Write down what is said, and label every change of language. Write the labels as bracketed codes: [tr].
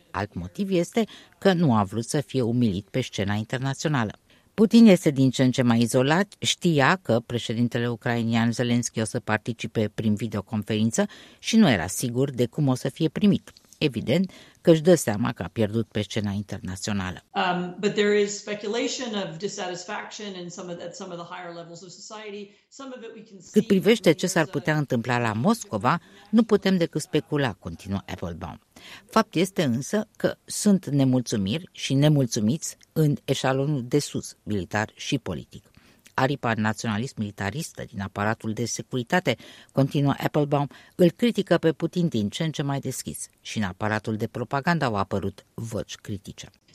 [ro] Alt motiv este că nu a vrut să fie umilit pe scena internațională. Putin este din ce în ce mai izolat, știa că președintele ucrainian Zelensky o să participe prin videoconferință și nu era sigur de cum o să fie primit. Evident că își dă seama că a pierdut pe scena internațională. [en] But there is speculation of dissatisfaction in some of at some of the higher levels of society. Some of it we can see. [ro] Cât privește ce s-ar putea întâmpla la Moscova, nu putem decât specula, continuă Applebaum. Fapt este însă că sunt nemulțumiri și nemulțumiți în eșalonul de sus, militar și politic. Aripa naționalist-militaristă din aparatul de securitate, continuă Applebaum, îl critică pe Putin din ce în ce mai deschis și în aparatul de propagandă au apărut voci critice.